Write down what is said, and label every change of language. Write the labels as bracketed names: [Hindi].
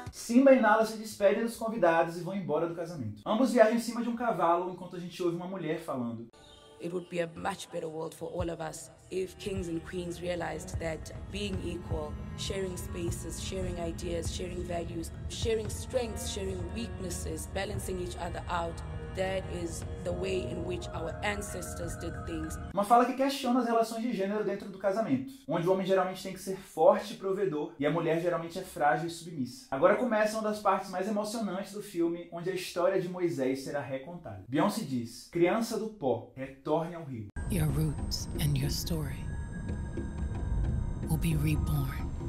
[Portuguese] Simba e Nala se despedem dos convidados e vão embora do casamento. Ambos viajam em cima de um cavalo enquanto a gente ouve uma mulher falando. [English] It would be a much better world for all of us if kings and queens realized that being equal, sharing spaces, sharing ideas, sharing values, sharing strengths, sharing weaknesses, balancing each other out, that is the way in which our ancestors did things. [Portuguese] Uma fala que questiona as relações de gênero dentro do casamento, onde o homem geralmente tem que ser forte e provedor e a mulher geralmente é frágil e submissa. Agora começa uma das partes mais emocionantes do filme, onde a história de Moisés será recontada. Beyoncé diz: "Criança do pó, retorne ao rio. [English] Your roots and your story will be reborn."